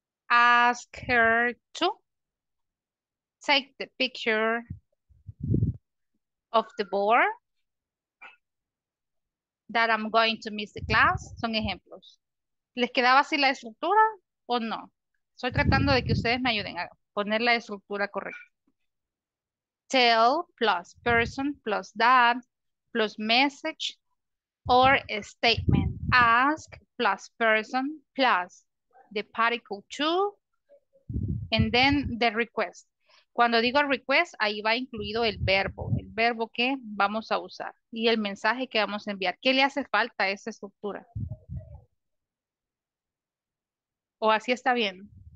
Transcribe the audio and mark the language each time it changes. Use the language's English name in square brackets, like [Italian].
[English] Ask her to take the picture of the board that I'm going to miss the class. [Spanish] Son ejemplos. ¿Les quedaba así la estructura o no? Estoy tratando de que ustedes me ayuden a poner la estructura correcta. [English] Tell plus person plus that plus message or a statement. Ask plus person plus the particle to and then the request. [Spanish] Cuando digo request, ahí va incluido el verbo que vamos a usar y el mensaje que vamos a enviar. ¿Qué le hace falta a esa estructura? ¿O así está bien?